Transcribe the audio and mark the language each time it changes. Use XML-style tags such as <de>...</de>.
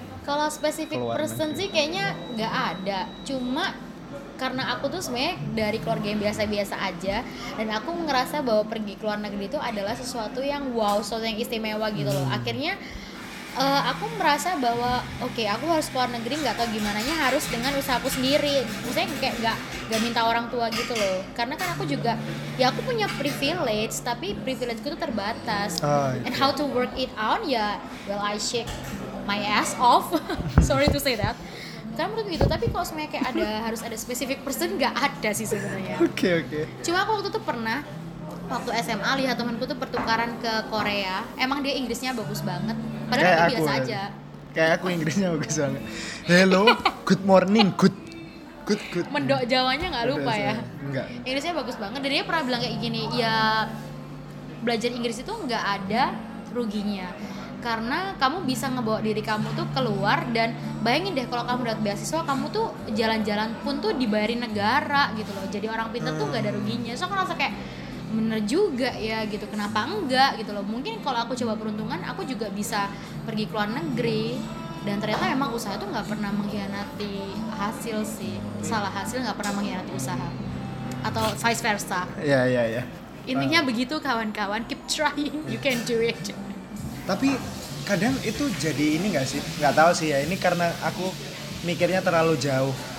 <id>kalau spesifik person sih kayaknya nggak ada, cuma karena aku tuh sebenarnya dari keluarga yang biasa-biasa aja dan aku ngerasa bahwa pergi ke luar negeri itu adalah sesuatu yang wow, sesuatu yang istimewa gitu loh. Akhirnya aku merasa bahwa okay, aku harus ke luar negeri, nggak tau gimana nya harus dengan usahaku sendiri, maksudnya kayak nggak minta orang tua gitu loh. Karena kan aku juga ya aku punya privilege tapi privilegeku tuh terbatas.</id> <en>And how to work it out, ya well I shake my ass off sorry to say that.</en> <id>Karena menurut gitu, tapi kalau sebenarnya kayak ada harus ada specific person, nggak ada sih sebenarnya. Okay. Cuma aku waktu itu pernah waktu SMA lihat temanku tuh pertukaran ke Korea, emang dia Inggrisnya bagus banget. Padahal kayak aku biasa aja. Kayak aku Inggrisnya bagus banget.</id> <en>Hello, good morning, good.</en> <id>Mendok Jawanya nggak lupa ya. Enggak. Inggrisnya bagus banget. Dan dia pernah bilang kayak gini, ya belajar Inggris itu nggak ada ruginya. Karena kamu bisa ngebawa diri kamu tuh keluar, dan bayangin deh kalau kamu dapat beasiswa, kamu tuh jalan-jalan pun tuh dibayarin negara gitu loh. Jadi orang pintar tuh gak ada ruginya. So aku rasa kayak bener juga ya gitu, kenapa enggak gitu loh. Mungkin kalau aku coba peruntungan, aku juga bisa pergi ke luar negeri. Dan ternyata emang usaha tuh gak pernah mengkhianati hasil sih. Salah, hasil gak pernah mengkhianati usaha. Atau vice versa. Iya. Intinya begitu kawan-kawan,</id> <en>keep trying, you can do it.</en> <id>Tapi kadang itu jadi ini gak sih? Gak tahu sih ya, ini karena aku mikirnya terlalu jauh.</id>